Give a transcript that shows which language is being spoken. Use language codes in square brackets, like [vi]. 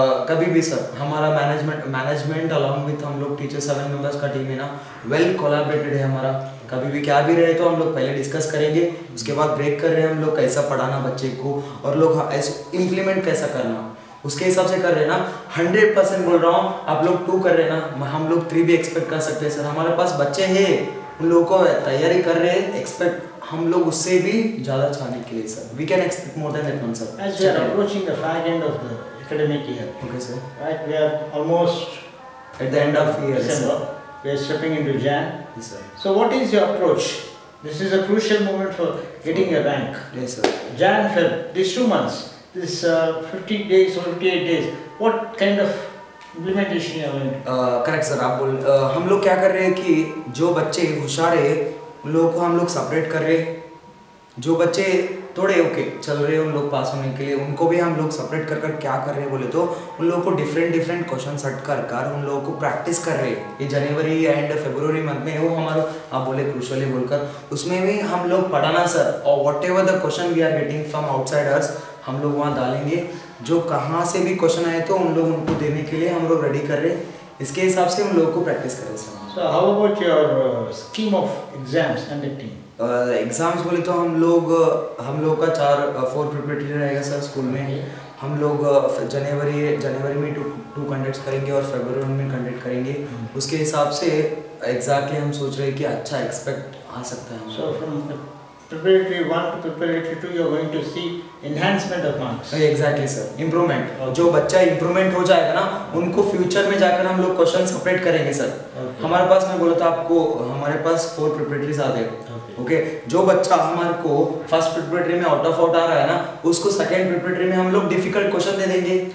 [hi] कभी भी सर हमारा management along with हम लोग teacher 7 members का team है ना well collaborated है हमारा कभी भी क्या भी रहे तो हम लोग पहले डिस्कस करेंगे उसके बाद ब्रेक कर रहे हैं हम लोग कैसा पढ़ाना बच्चे को और लोग ऐसे इम्प्लीमेंट कैसा करना उसके हिसाब से कर रहे ना 100% बोल रहा हूँ आप लोग 2 कर रहे ना हम लोग 3 भी एक्सपेक्ट कर सकते हैं सर हमारे पास बच्चे हैं उन लोगों को तैयारी कर रहे हैं एक्सपेक्ट हम लोग उससे भी ज़्यादा चाहने के लिए sir [en] We can expect more than that one sir as we are approaching the fag end of the academic year okay sir right we are almost at the end of year sir we are stepping into Jan yes sir so what is your approach this is a crucial moment for getting your rank yes sir Jan for this 2 months This 50 days or 58 days, what kind of implementation you are doing? [hi] Correct sir, आप बोल हम लोग क्या कर रहे हैं कि जो बच्चे होशियार है उन लोगों को हम लोग सेपरेट कर रहे हैं जो बच्चे थोड़े ओके चल रहे हैं उन लोग पास होने के लिए उनको भी हम लोग सेपरेट कर कर क्या कर रहे हैं बोले तो उन लोगों को डिफरेंट क्वेश्चन सेट कर कर उन लोगों को प्रैक्टिस कर रहे हैं ये जनवरी एंड फरवरी मंथ में वो हमारा आप बोले क्रूशली बोलकर उसमें भी हम लोग पढ़ाना सर और [en] whatever the question we are getting from outsiders [hi] हम लोग वहाँ डालेंगे जो कहाँ से भी क्वेश्चन आए तो उन लोग उनको देने के लिए हम लोग रेडी कर रहे हैं इसके हिसाब से हम लोगों को प्रैक्टिस कर रहे हैं [en] sir how about your scheme of exams and the team [hi] exams बोले तो हम लोग का 4 प्रिपरेटरी रहेगा सर स्कूल में हम लोग जनवरी में 2 कंडक्ट करेंगे और फरवरी में कंडक्ट करेंगे उसके हिसाब से एग्जैक्टली हम सोच रहे हैं कि अच्छा एक्सपेक्ट आ सकता है [en] Preparatory 1 to preparatory 2, you are going to see enhancement of marks. Exactly, sir. Improvement. [hi] जो बच्चा improvement हो जाएगा ना, उनको future में जाकर हम लोग question separate करेंगे sir. हमारे पास मैं बोला था आपको हमारे पास 4 preparatories आ गए. Okay. जो बच्चा हमारे को first preparatory में out of out आ रहा है ना, उसको second preparatory में हम लोग difficult question दे देंगे.